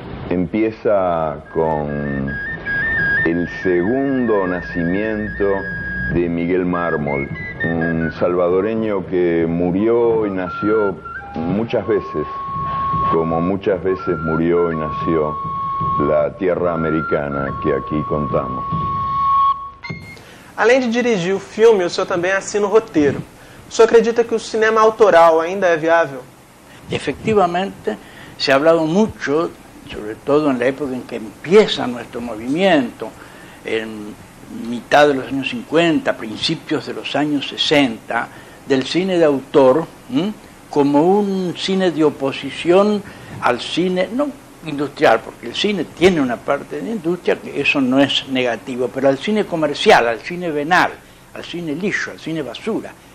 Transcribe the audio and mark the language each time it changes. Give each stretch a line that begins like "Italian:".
Spanish: Empieza con el segundo nacimiento de Miguel Mármol, un salvadoreño que murió y nació muchas veces, como muchas veces murió y nació la tierra americana que aquí contamos.
Portuguese: Além de dirigir o filme, o senhor também assina o roteiro. O senhor acredita que o cinema autoral ainda é viável?
Spanish: Efectivamente, se ha hablado mucho, sobre todo en la época en que empieza nuestro movimiento, en mitad de los años 50, principios de los años 60, del cine de autor, como un cine de oposición al cine, no industrial, porque el cine tiene una parte de industria, que eso no es negativo, pero al cine comercial, al cine venal, al cine liso, al cine basura.